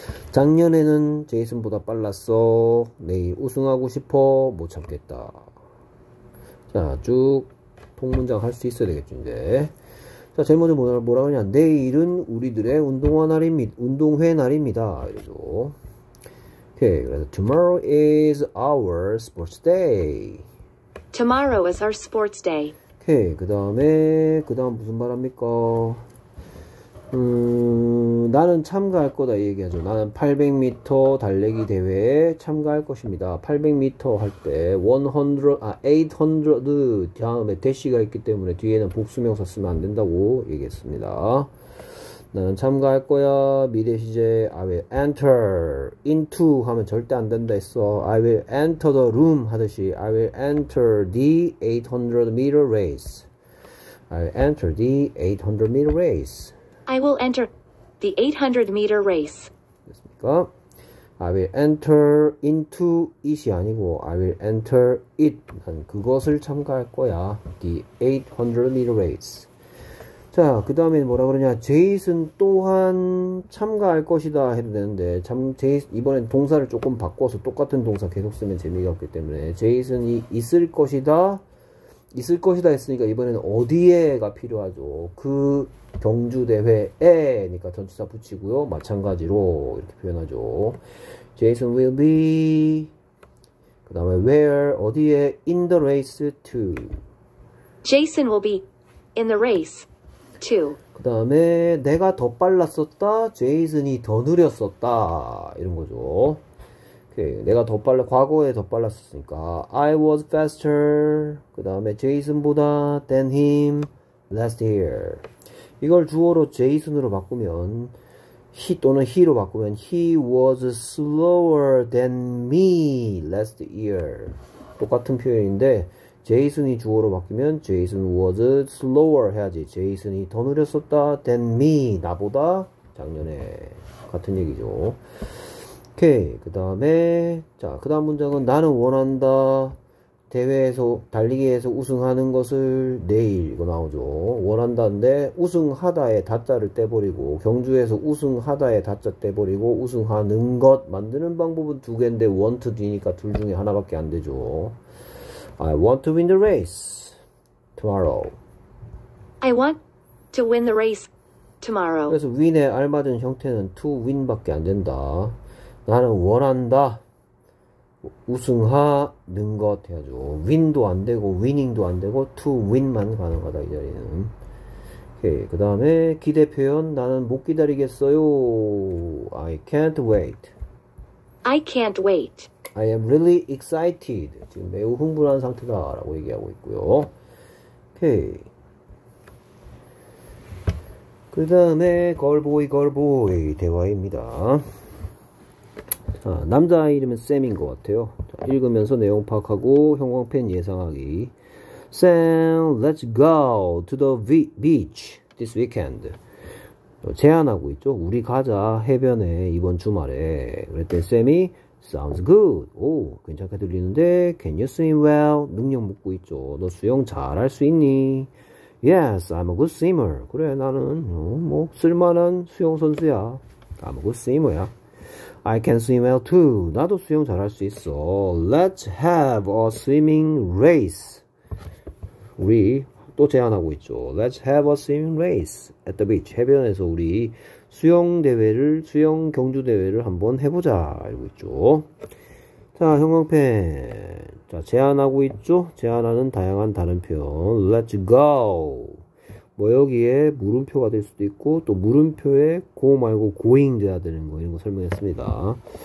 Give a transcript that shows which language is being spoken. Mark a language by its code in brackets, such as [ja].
[ko] 작년에는 제이슨보다 빨랐어. 내일 우승하고 싶어. 못 참겠다. 자, 쭉, 통문장 할수 있어야 되겠죠, 이제. 자, 제일 먼저 뭐라 그러냐. 내일은 우리들의 운동회 날입니다. 이러죠. 오케이. 그래서, [en] tomorrow is our sports day. Tomorrow is our sports day. [ko] 오케이. 그 다음 무슨 말 합니까? 나는 참가할 거다 얘기하죠. 나는 800m 달리기 대회에 참가할 것입니다. 800m 할때800 다음에 대시가 있기 때문에 뒤에는 복수명사 쓰면 안 된다고 얘기했습니다. 나는 참가할 거야. 미래 시제 [en] I will enter into [ko] 하면 절대 안 된다 했어. [en] I will enter the room [ko] 하듯이 [en] I will enter the 800m race. I will enter the 800m race. I will enter the 800-meter race. [ko] 됐습니까? [en] I will enter into it이 [ko] 아니고 [en] I will enter it. [ko] 난 그것을 참가할 거야. [en] The 800-meter race. [ko] 자, 그 다음에 뭐라 그러냐? 제이슨 또한 참가할 것이다 해도 되는데 이번엔 동사를 조금 바꿔서 똑같은 동사 계속 쓰면 재미가 없기 때문에 제이슨이 있을 것이다. 있을 것이다 했으니까 이번에는 어디에가 필요하죠. 그 경주 대회에니까 전치사 붙이고요. 마찬가지로 이렇게 표현하죠. [en] Jason will be [ko] 그 다음에 [en] where [ko] 어디에 [en] in the race to Jason will be in the race too. [ko] 그 다음에 내가 더 빨랐었다. Jason이 더 느렸었다. 이런 거죠. 내가 더 빨라 과거에 더 빨랐으니까 [en] I was faster [ko] 그 다음에 제이슨보다 [en] than him last year [ko] 이걸 주어로 제이슨으로 바꾸면 he 또는 he로 바꾸면 [en] he was slower than me last year [ko] 똑같은 표현인데 제이슨이 주어로 바뀌면 제이슨 [en] was slower [ko] 해야지 제이슨이 더 느렸었다 [en] than me [ko] 나보다 작년에 같은 얘기죠. 오케이 그 다음에 자그 다음 문장은 나는 원한다 대회에서 달리기에서 우승하는 것을 내일 이거 나오죠. 원한다인데 우승하다에 다짜를 떼버리고 경주에서 우승하다에 다짜 떼버리고 우승하는 것 만드는 방법은 두 개인데 want d니까 둘 중에 하나밖에 안 되죠. [en] I want to win the race tomorrow. I want to win the race tomorrow. [ko] 그래서 win에 알맞은 형태는 to win밖에 안 된다. 나는 원한다. 우승하는 것 해야죠. win도 안 되고, winning도 안 되고, to win만 가능하다, 이 자리는. 오케이. 그 다음에 기대 표현. 나는 못 기다리겠어요. [en] I can't wait. I can't wait. I am really excited. [ko] 지금 매우 흥분한 상태다라고 얘기하고 있고요. 오케이. 그 다음에 걸보이 걸보이 대화입니다. 자, 남자 이름은 샘인 것 같아요. 자, 읽으면서 내용 파악하고 형광펜 예상하기. [en] Sam, let's go to the beach this weekend. [ko] 제안하고 있죠. 우리 가자 해변에 이번 주말에. 그랬더니 샘이 [en] sounds good. [ko] 오, 괜찮게 들리는데. [en] Can you swim well? [ko] 능력 묻고 있죠. 너 수영 잘할 수 있니? [en] Yes, I'm a good swimmer. [ko] 그래, 나는 뭐 쓸만한 수영 선수야. [en] I'm a good swimmer야. I can swim well too. [ko] 나도 수영 잘할 수 있어. [en] Let's have a swimming race. [ko] 우리 또 제안하고 있죠. [en] Let's have a swimming race at the beach. [ko] 해변에서 우리 수영 경주 대회를 한번 해보자. 이러고 있죠. 자, 형광펜. 자, 제안하고 있죠. 제안하는 다양한 다른 표현. [en] Let's go. [ko] 뭐 여기에 물음표가 될 수도 있고 또 물음표에 go 말고 going 돼야 되는 거 이런 거 설명했습니다.